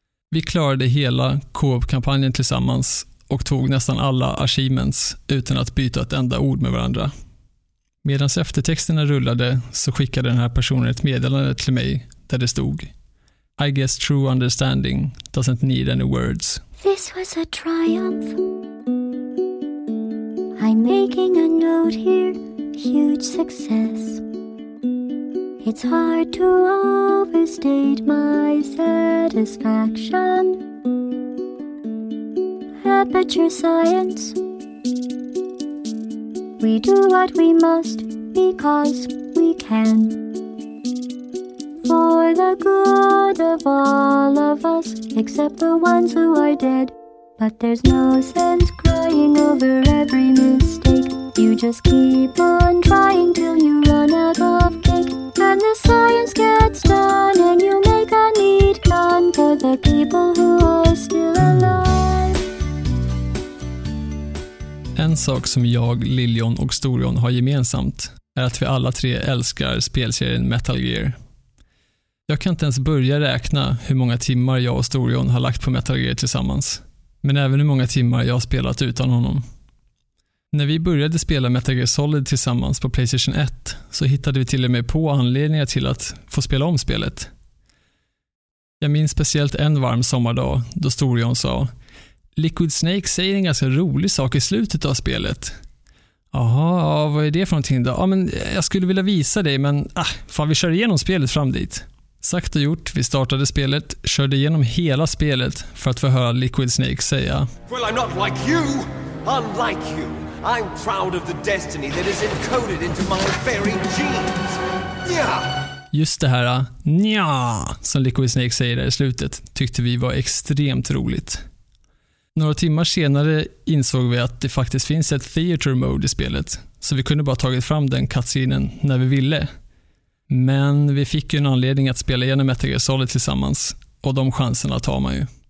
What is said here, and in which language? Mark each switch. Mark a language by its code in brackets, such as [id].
[sv] Vi klarade hela co-op-kampanjen tillsammans och tog nästan alla achievements utan att byta ett enda ord med varandra. Medan eftertexterna rullade så skickade den här personen ett meddelande till mig där det stod: [en] "I guess true understanding doesn't need any words." This was a triumph. I'm making a note here, huge success. It's hard to overstate my satisfaction. Aperture science. We do what we must because we can. For the good of all of us, except the ones who are dead. But there's no sense crying over every mistake. You just keep on trying till you run out of cake. And the science gets done and you make a neat gun for the people who are still alive. [sv] En sak som jag, Liljon och Storjon har gemensamt är att vi alla tre älskar spelserien Metal Gear. Jag kan inte ens börja räkna hur många timmar jag och Storjon har lagt på Metal Gear tillsammans. Men även hur många timmar jag har spelat utan honom. När vi började spela Metal Gear Solid tillsammans på PlayStation 1 så hittade vi till och med på anledningar till att få spela om spelet. Jag minns speciellt en varm sommardag då Storjon sa: "Liquid Snake säger en ganska rolig sak i slutet av spelet." "Jaha, vad är det för någonting då?" "Ja, men jag skulle vilja visa dig, men fan, vi kör igenom spelet fram dit." Sagt och gjort, vi startade spelet, körde igenom hela spelet för att få höra Liquid Snake säga: [en] "Well, I'm not like you. Unlike you, I'm proud of the destiny that is encoded into my very genes. Yeah." [sv] Just det här "nja" som Liquid Snake säger där i slutet tyckte vi var extremt roligt. Några timmar senare insåg vi att det faktiskt finns ett theater mode i spelet, så vi kunde bara tagit fram den cutscenen när vi ville. Men vi fick ju en anledning att spela igenom Metal Gear Solid tillsammans, och de chanserna tar man ju.